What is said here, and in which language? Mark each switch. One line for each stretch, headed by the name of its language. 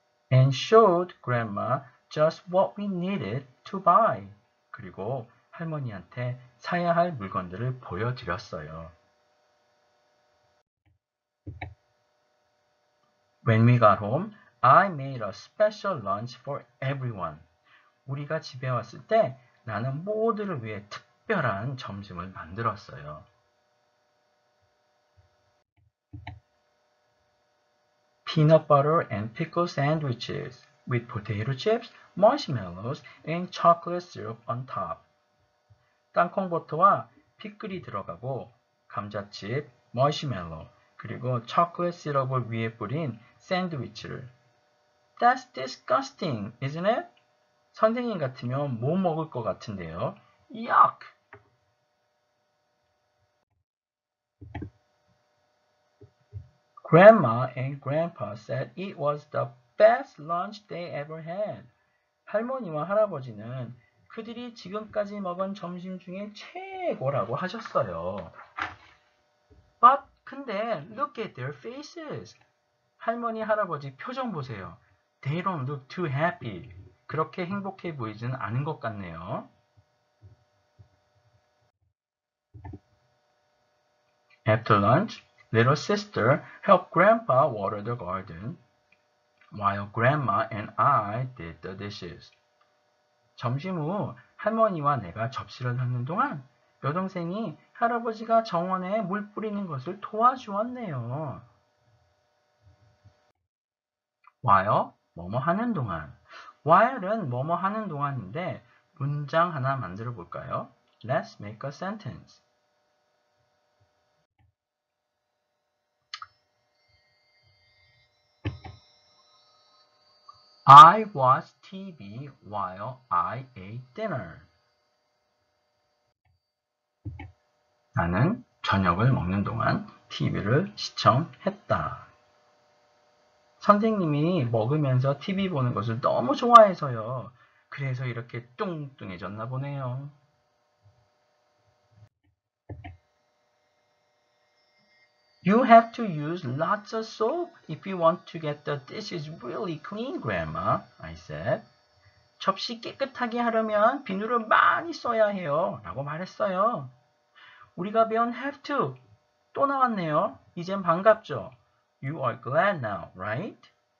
English: And showed grandma just what we needed to buy.
Korean: 그리고 할머니한테 사야 할 물건들을 보여드렸어요.
English: When we got home, I made a special lunch for everyone.
Korean: 우리가 집에 왔을 때 나는 모두를 위해 특별한 점심을 만들었어요.
English: Peanut butter and pickle sandwiches with potato chips, marshmallows, and chocolate syrup on top.
Korean: 땅콩버터와 피클이 들어가고 감자칩, 마시멜로, 그리고 초콜릿 시럽을 위에 뿌린 샌드위치를.
English: That's disgusting, isn't it?
Korean: 선생님 같으면 못 먹을 것 같은데요.
English: Yuck! Grandma and Grandpa said it was the best lunch they ever had.
Korean: 할머니와 할아버지는 그들이 지금까지 먹은 점심 중에 최고라고 하셨어요.
English: But 근데 look at their faces.
Korean: 할머니, 할아버지 표정 보세요.
English: They don't look too happy.
Korean: 그렇게 행복해 보이진 않은 것 같네요.
English: After lunch, little sister helped grandpa water the garden while grandma and I did the dishes.
Korean: 점심 후 할머니와 내가 접시를 닦는 동안 여동생이 할아버지가 정원에 물 뿌리는 것을 도와주었네요. While 뭐뭐 하는 동안. While은 뭐뭐 하는 동안인데 문장 하나 만들어 볼까요?
English: Let's make a sentence. I watched TV while I ate dinner.
Korean: 나는 저녁을 먹는 동안 TV를 시청했다. 선생님이 먹으면서 TV 보는 것을 너무 좋아해서요. 그래서 이렇게 뚱뚱해졌나 보네요.
English: 'You have to use lots of soap if you want to get the dishes really clean, Grandma,' I said.
Korean: 접시 깨끗하게 하려면 비누를 많이 써야 해요. 라고 말했어요. 우리가 배운 have to 또 나왔네요. 이젠 반갑죠?
English: You are glad now, right?